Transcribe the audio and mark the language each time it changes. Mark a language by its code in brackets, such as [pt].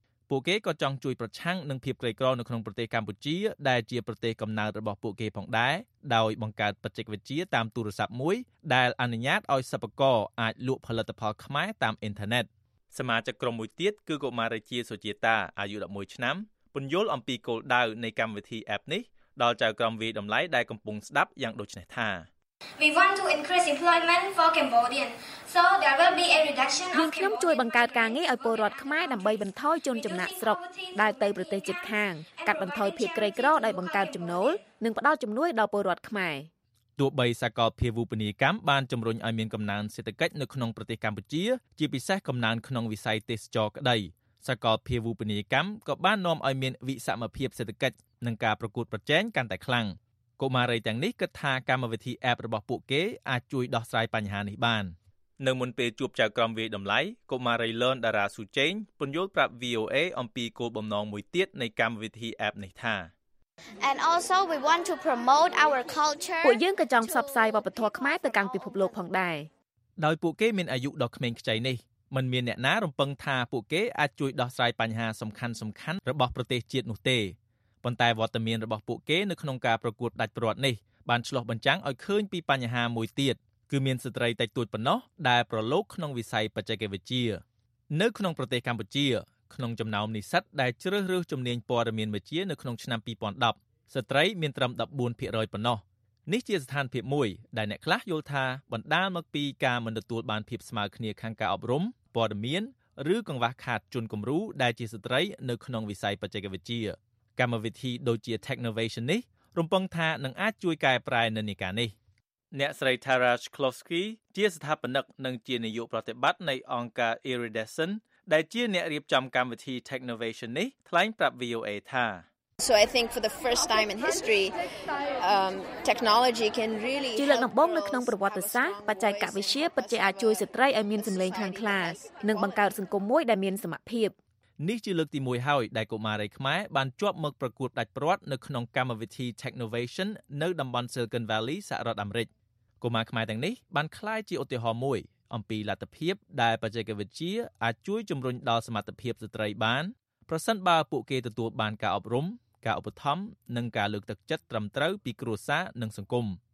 [km] ពួកគេក៏ចង់ជួយប្រឆាំងនឹងភាពក្រីក្រនៅក្នុងប្រទេសកម្ពុជាដែលជាប្រទេសកំណើតរបស់ពួកគេផងដែរដោយបង្កើតបច្ចេកវិទ្យាតាមទូរស័ព្ទមួយដែលអនុញ្ញាតឲ្យសិប្បករអាចលក់ផលិតផលខ្មែរតាមអ៊ីនធឺណិតសមាជិកក្រុមមួយទៀតគឺកុមារីជាសុជាតាអាយុ11ឆ្នាំពន្យល់អំពីគោលដៅនៃកម្មវិធី App នេះដល់ចៅក្រមវិយតម្លៃដែលកំពុងស្ដាប់យ៉ាងដូចនេះថា [en] We want to increase employment for Cambodian. So there will be a reduction of [km] ខ្ញុំជួយបង្កើតការងារឲ្យពលរដ្ឋខ្មែរដើម្បីបន្ថយជនចំណាកស្រុកដែលទៅប្រទេសជិតខាងកាត់បន្ថយភាពក្រីក្រដោយបង្កើតចំណូលនិងផ្ដល់ជំនួយដល់ពលរដ្ឋខ្មែរ ទូបីសកលភាវូបនីយកម្មបានជំរុញឲ្យមានកំណើនសេដ្ឋកិច្ចនៅក្នុងប្រទេសកម្ពុជាជាពិសេសកំណើនក្នុងវិស័យទេសចរក្តីសកលភាវូបនីយកម្មក៏បាននាំឲ្យមានវិសមភាពសេដ្ឋកិច្ចនិងការប្រកួតប្រជែងកាន់តែខ្លាំងកុមារីទាំងនេះគិតថាកម្មវិធី App របស់ពួកគេអាចជួយដោះស្រាយបញ្ហានេះបាននៅមុនពេលជួបចៅក្រមវិយតម្លៃកុមារី Learn Dara Su Cheng ពន្យល់ប្រាប់ VOA អំពីគោលបំណងមួយទៀតនៃកម្មវិធី App នេះថា [en] And also we want to promote our culture [km] ពួកយើងក៏ចង់ផ្សព្វផ្សាយវប្បធម៌ខ្មែរទៅកាន់ពិភពលោកផងដែរ ដោយពួកគេមានអាយុដ៏ក្មេងខ្ចីនេះมันមានអ្នកណារំពឹងថាពួកគេអាចជួយដោះស្រាយបញ្ហាសំខាន់សំខាន់របស់ប្រទេសជាតិនោះទេប៉ុន្តែវត្តមានរបស់ពួកគេនៅក្នុងការប្រកួតដាច់ព្រាត់នេះបានឆ្លុះបញ្ចាំងឲ្យឃើញពីបញ្ហាមួយទៀតគឺមានស្ត្រីតែទួចប៉ុណ្ណោះដែលប្រឡូកក្នុងវិស័យបច្ចេកវិទ្យា នៅក្នុងប្រទេសកម្ពុជាក្នុងចំណោមនិស្សិតដែលជ្រើសរើសជំនាញព័ត៌មានវិទ្យានៅក្នុងឆ្នាំ2010ស្ត្រីមានត្រឹម 14% ប៉ុណ្ណោះនេះជាស្ថានភាពមួយដែលអ្នកខ្លះយល់ថាបណ្ដាលមកពីការមិនទទួលបានភាពស្មើគ្នាខាងការអប់រំព័ត៌មានឬកង្វះខាតជនគំរូដែលជាស្ត្រីនៅក្នុងវិស័យបច្ចេកវិទ្យាកម្មវិធីដូចជា Technovation នេះរំពឹងថានឹងអាចជួយកែប្រែនិន្នាការនេះ អ្នកស្រី Tara Shklovsky ជាស្ថាបនិកនិងជានាយកប្រតិបត្តិនៃអង្គការ Iridescent ដែលជាអ្នករៀបចំកម្មវិធី Technovation នេះថ្លែងប្រាប់ VOA ថា [en] So I think for the first time in history technology can really [km] ជាលើកដំបូងនៅក្នុងប្រវត្តិសាស្ត្របច្ចេកវិទ្យាពិតជាអាចជួយស្ត្រីឲ្យមានសំឡេងខ្លាំងក្លានិងបង្កើតសង្គមមួយដែលមានសមភាព នេះជាលើកទី1ហើយដែលកុមារីខ្មែរបានជាប់មកប្រកួតដាច់ព្រាត់នៅក្នុងកម្មវិធី Technovation នៅតំបន់ Silicon Valley សហរដ្ឋអាមេរិកកុមារខ្មែរទាំងនេះបានក្លាយជាឧទាហរណ៍មួយអំពីលទ្ធភាពដែលបច្ចេកវិទ្យាអាចជួយជំរុញដល់សមត្ថភាពស្ត្រីបានប្រសិនបើពួកគេទទួលបានការអប់រំការឧបត្ថម្ភនិងការលើកទឹកចិត្តត្រឹមត្រូវពីគ្រួសារនិងសង្គម